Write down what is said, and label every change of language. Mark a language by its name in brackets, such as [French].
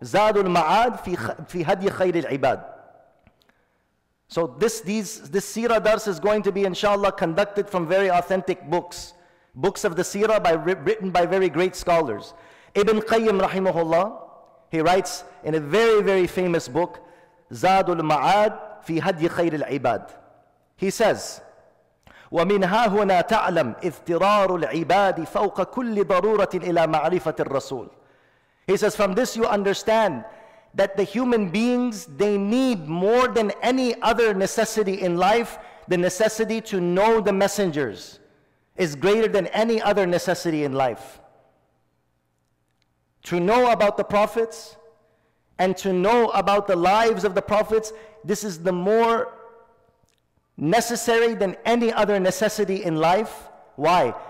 [English] Zadul Ma'ad fi hadi khayr al-ibad. So this seerah dars is going to be inshallah conducted from very authentic books. Books of the seerah written by very great scholars. Ibn Qayyim rahimahullah, he writes in a very, very famous book, Zadul Ma'ad fi hadi khayr al-ibad. He says, [Arabic] ومن ها هنا تعلم اضطرار العباد فوق كل ضرورة إلى معرفة الرسول. [English] He says, from this you understand that the human beings, they need more than any other necessity in life, the necessity to know the messengers is greater than any other necessity in life. To know about the prophets and to know about the lives of the prophets, this is the more necessary than any other necessity in life. Why?